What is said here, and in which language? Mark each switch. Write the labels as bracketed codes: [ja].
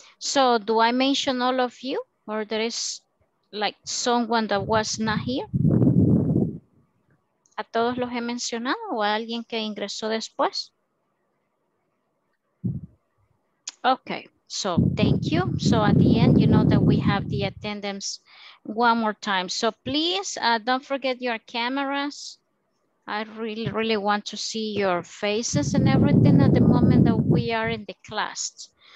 [en] So do I mention all of you, or there is like someone that was not here? [es] ¿A todos los he mencionado o a alguien que ingresó después? [en] Okay, so thank you. So at the end, you know that we have the attendance one more time. So please don't forget your cameras. I really, really want to see your faces and everything at the moment that we are in the class.